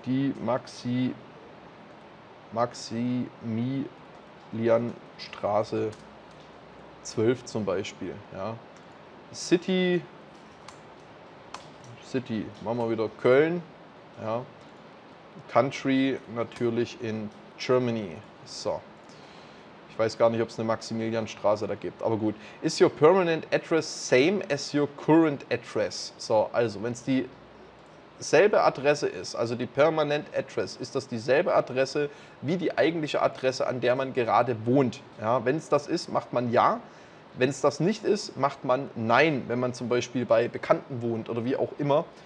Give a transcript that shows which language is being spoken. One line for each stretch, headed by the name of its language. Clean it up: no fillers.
German: Die Maximilianstraße 12 zum Beispiel. Ja. City, machen wir wieder Köln. Ja. Country natürlich in Germany. So. Ich weiß gar nicht, ob es eine Maximilianstraße da gibt. Aber gut.
English: Is your permanent address same as your current address?
German: So, also, wenn es dieselbe Adresse ist, also die permanent address, ist das dieselbe Adresse wie die eigentliche Adresse, an der man gerade wohnt. Ja, wenn es das ist, macht man ja. Wenn es das nicht ist, macht man nein, wenn man zum Beispiel bei Bekannten wohnt oder wie auch immer.